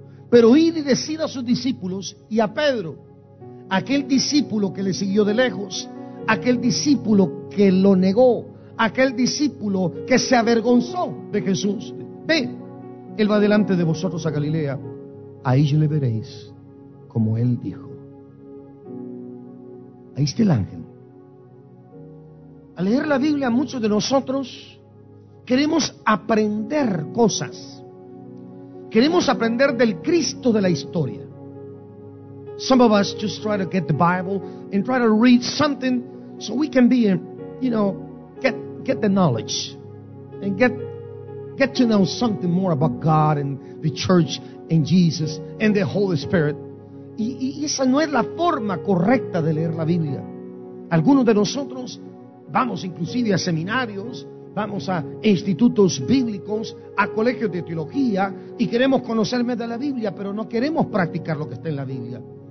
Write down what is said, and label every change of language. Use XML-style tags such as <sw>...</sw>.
<es>Pero id y decid a sus discípulos y a Pedro, aquel discípulo que le siguió de lejos, aquel discípulo que lo negó, aquel discípulo que se avergonzó de Jesús: ve, él va delante de vosotros a Galilea, ahí le veréis como él dijo. Ahí está el ángel. Al leer la Biblia, muchos de nosotros queremos aprender cosas. Queremos aprender del Cristo de la historia.</es> <en>Some of us just try to get the Bible and try to read something so we can be, you know, get the knowledge and get to know something more about God and the church and Jesus and the Holy Spirit.</en> <es>Y esa no es la forma correcta de leer la Biblia. Algunos de nosotros vamos inclusive a seminarios, vamos a institutos bíblicos, a colegios de teología, y queremos conocer más de la Biblia, pero no queremos practicar lo que está en la Biblia.</es>